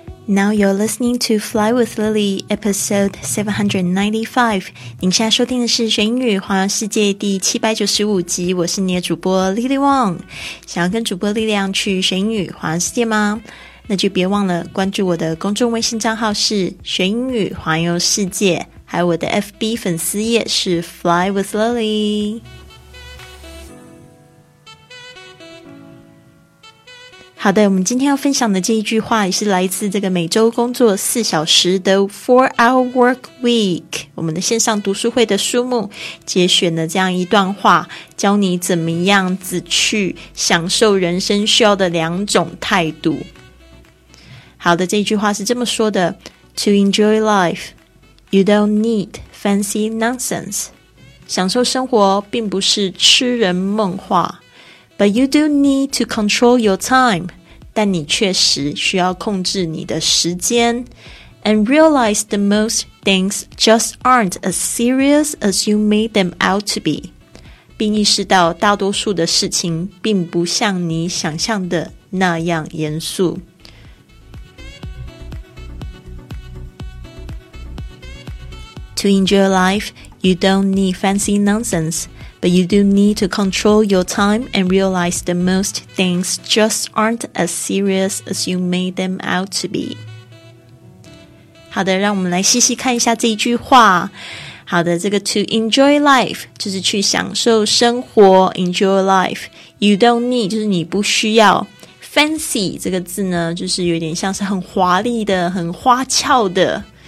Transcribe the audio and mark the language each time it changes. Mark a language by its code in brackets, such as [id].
[en] Now you're listening to Fly with Lily, episode 795. [zh] 您现在收听的是学英语环游世界第795集，我是你的主播 Lily Wong。想要跟主播力量去学英语环游世界吗？那就别忘了关注我的公众微信账号是学英语环游世界，还有我的 FB 粉丝页是 Fly with Lily。好的，我们今天要分享的这一句话也是来自这个每周工作四小时的 4-Hour Work Week， 我们的线上读书会的书目节选的这样一段话，教你怎么样子去享受人生需要的两种态度。好的，这一句话是这么说的， [en] To enjoy life, you don't need fancy nonsense. [zh] 享受生活并不是痴人梦话。 [en] But you do need to control your time. [zh] 但你确实需要控制你的时间。 [en] And realize the most things just aren't as serious as you made them out to be. [zh] 并意识到大多数的事情并不像你想象的那样严肃。 [en] To enjoy life, you don't need fancy nonsense. But you do need to control your time and realize the most things just aren't as serious as you made them out to be. [zh] 好的，让我们来细细看一下这一句话。好的，这个 [en] to enjoy life [zh] 就是去享受生活， [en] enjoy life. You don't need [zh] 就是你不需要。Fancy 这个字呢，就是有点像是很华丽的，很花俏的。